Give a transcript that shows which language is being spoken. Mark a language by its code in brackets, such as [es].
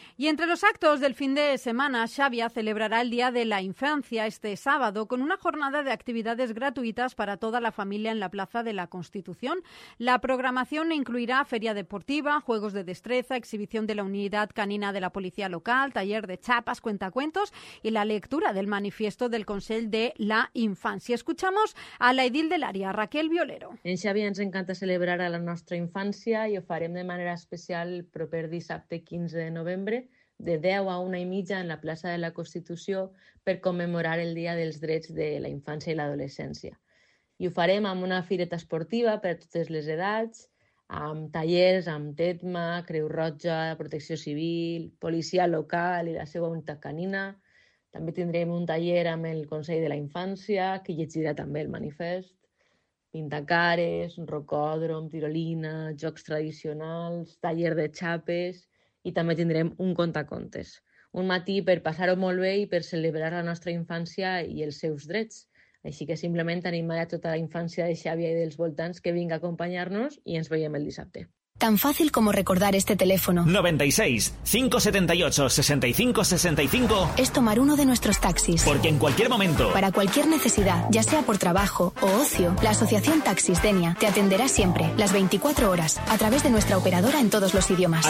[es] Y entre los actos del fin de semana, Xavia celebrará el Día de la Infancia este sábado con una jornada de actividades gratuitas para toda la familia en la Plaza de la Constitución. La programación incluirá feria deportiva, juegos de destreza, exhibición de la unidad canina de la policía local, taller de chapas, cuentacuentos y la lectura del manifiesto del Consell de la Infància. Escuchamos a la edil del área, Raquel Violero. [ca] En Xavia ens encanta celebrar a la nostra infància i ho farem de manera especial el proper dissabte 15 de novembre de 10 a 1 i mitja en la plaça de la Constitució per commemorar el Dia dels Drets de la Infància i l'Adolescència. I ho farem amb una fireta esportiva per a totes les edats, amb tallers, amb TETMA, Creu Roja, Protecció Civil, Policia Local i la seva unitat canina. També tindrem un taller amb el Consell de la Infància, que llegirà també el manifest. Pintacares, rocòdrom, tirolina, jocs tradicionals, taller de xapes... I també tindrem un contacontes. Un matí per passar-ho molt bé i per celebrar la nostra infància i els seus drets. Així que simplement animar a tota la infància de Xàbia i dels voltants que vinga a acompanyar-nos i ens veiem el dissabte. [es] Tan fácil como recordar este teléfono. 96 578 6565 es tomar uno de nuestros taxis. Porque en cualquier momento, para cualquier necesidad, ya sea por trabajo o ocio, la Asociación Taxis Denia te atenderá siempre, las 24 horas, a través de nuestra operadora en todos los idiomas.